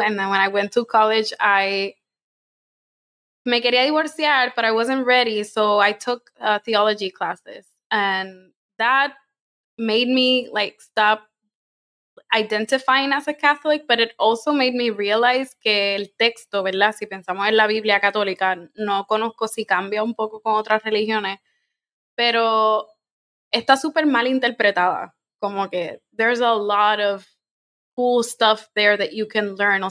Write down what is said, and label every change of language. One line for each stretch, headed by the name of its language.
English: And then when I went to college, I
Spanish: me quería divorciar,
English: but I wasn't ready. So I took theology classes. And that made me, like, stop identifying as a Catholic, but it also made me realize
Spanish: que el texto, ¿verdad? Si pensamos en la Biblia católica, no conozco si cambia un poco con otras religiones, pero está súper mal interpretada. Como que
English: there's a lot of cool stuff there that you can learn.